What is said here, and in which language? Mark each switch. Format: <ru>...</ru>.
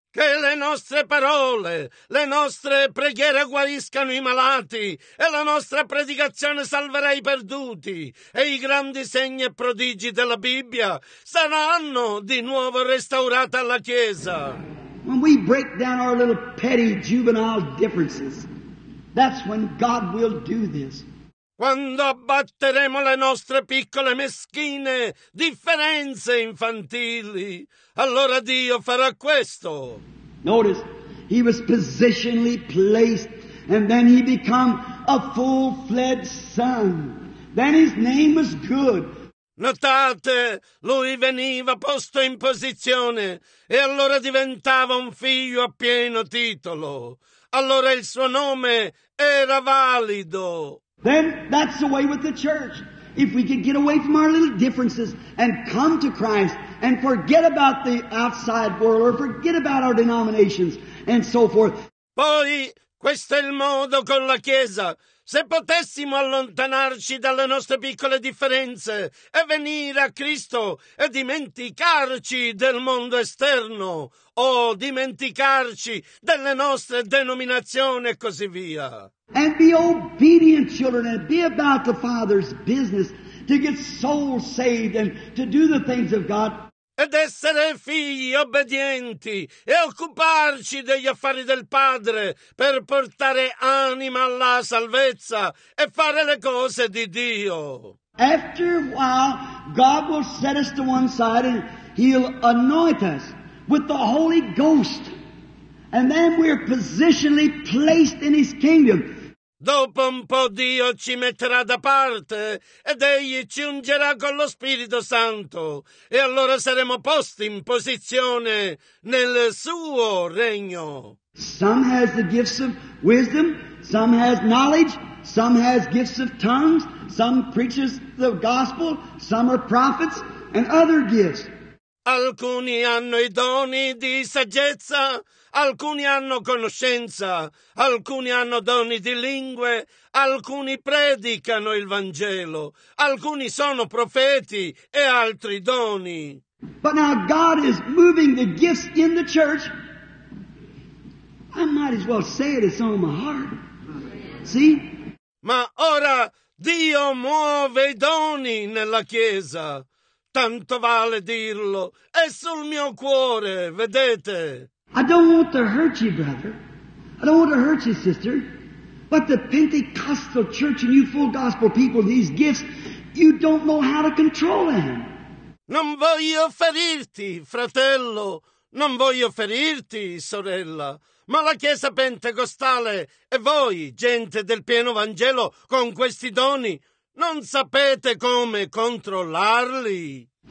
<it>Che le nostre parole, le nostre preghiere guariscano i malati e la nostra predicazione salverà i perduti e i grandi segni e prodigi della Bibbia saranno di nuovo restaurati alla Chiesa.</it> <en>When we break down our little petty juvenile differences, that's when God will do this.</en> <it>Quando abbatteremo le nostre piccole meschine differenze infantili, allora Dio farà questo.</it> <en>Notice, he was positionally placed, and then he became a full-fledged son. Then his name was good.</en> <it>Notate, lui veniva posto in posizione, e allora diventava un figlio a pieno titolo. Allora il suo nome era valido.</it> <en>Then that's the way with the church. If we could get away from our little differences and come to Christ and forget about the outside world or forget about our denominations and so forth.</en> <it>Poi, questo è il modo con la Chiesa. Se potessimo allontanarci dalle nostre piccole differenze e venire a Cristo e dimenticarci del mondo esterno o dimenticarci delle nostre denominazioni e così via.</it> <en>And be obedient children and be about the Father's business to get souls saved and to do the things of God.</en> <it>Ed essere figli obbedienti e occuparci degli affari del Padre per portare anima alla salvezza e fare le cose di Dio.</it> <en>After a while, God will set us to one side and He'll anoint us with the Holy Ghost. And then we're positionally placed in His kingdom.</en> <it>Dopo un po' Dio ci metterà da parte ed Egli ci ungerà con lo Spirito Santo e allora saremo posti in posizione nel Suo regno.</it> <en>Some has the gifts of wisdom, some has knowledge, some has gifts of tongues, some preaches the gospel, some are prophets, and other gifts.</en> <it>Alcuni hanno i doni di saggezza, alcuni hanno conoscenza, alcuni hanno doni di lingue, alcuni predicano il Vangelo, alcuni sono profeti e altri doni.</it> <en>But now God is moving the gifts in the church. I might as well say it, it's on my heart. See?</en> <it>Ma ora Dio muove i doni nella Chiesa. Tanto vale dirlo, è sul mio cuore, vedete?</it> <en>I don't want to hurt you, brother. I don't want to hurt you, sister. But the Pentecostal church and you full gospel people, these gifts, you don't know how to control them.</en> <it>Non voglio ferirti, fratello. Non voglio ferirti, sorella. Ma la Chiesa Pentecostale e voi, gente del pieno Vangelo, con questi doni, non sapete come controllarli.</it>